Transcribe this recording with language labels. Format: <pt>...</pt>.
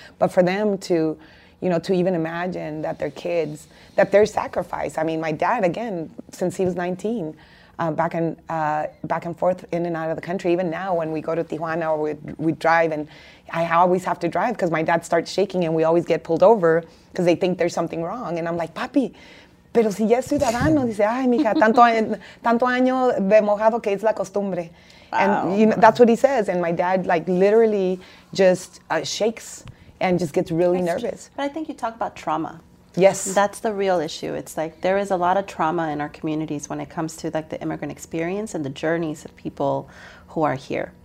<en>But for them to, you know, to even imagine that their kids, that their sacrifice, I mean, my dad, again, since he was 19, back and forth in and out of the country. Even now when we go to Tijuana or we drive, and I always have to drive because my dad starts shaking and we always get pulled over because they think there's something wrong. And I'm like,</en> <es>"Papi, pero si ya es ciudadano." Dice, "Ay, mija, tanto año de mojado que es la costumbre."</es> <en>Wow. And you know, that's what he says. And my dad like literally just shakes and just gets really nervous. But I think you talk about trauma. Yes. That's the real issue. It's like there is a lot of trauma in our communities when it comes to like the immigrant experience and the journeys of people who are here.</en>